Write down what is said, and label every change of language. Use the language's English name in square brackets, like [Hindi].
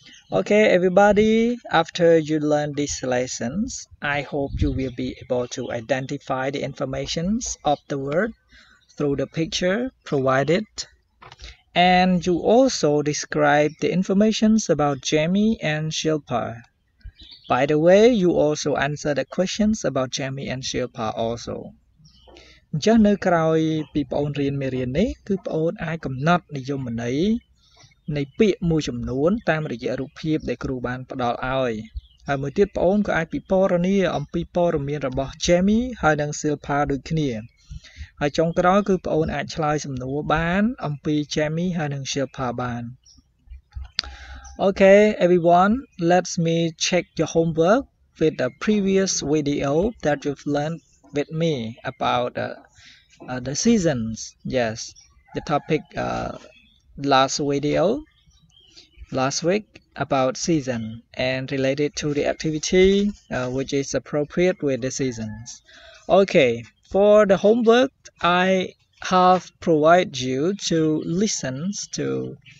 [English] Okay, everybody, after you learn these lessons, I hope you will be able to identify the information of the word through the picture provided. And you also describe the information about Jamie and Shilpa. By the way, you also answer the questions about Jamie and Shilpa also. [Khmer] ចាំនៅក្រោយពីបងអូនរៀនមេរៀននេះគឺបងអូនអាចកំណត់និយមន័យនៃពាក្យមួយចំនួនតាមរយៈរូបភាពដែលគ្រូបានផ្ដល់ឲ្យហើយមួយទៀតបងអូនក៏អាចពិពណ៌នាអំពីព័ត៌មានរបស់ Jamie ហើយនិង Shilpa ដូចគ្នា ហើយចុងក្រោយគឺបងអូនអាចឆ្លើយសំណួរបានអំពី Jamie ហើយនិង Shilpa បាន [English] Okay, everyone, let me check your homework with the previous video that you've learned with me about the seasons. Yes, the topic last video, last week, about season and related to the activity which is appropriate with the seasons. Okay, for the homework, I have provided you to listen to...